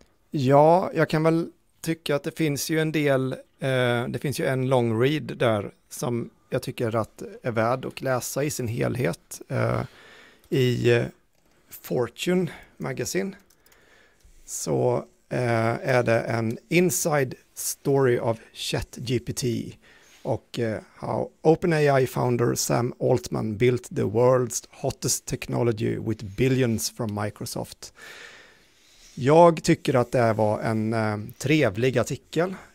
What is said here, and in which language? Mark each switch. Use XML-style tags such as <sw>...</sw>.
<sv>Ja, jag kan väl tycka att det finns ju en del, det finns ju en long read där som jag tycker att är värd att läsa i sin helhet i Fortune Magazine. Så är det en</sv> <en>inside story of ChatGPT. Och how OpenAI founder Sam Altman built the world's hottest technology with billions from Microsoft.</en> <sv>Jag tycker att det var en trevlig artikel.</sv>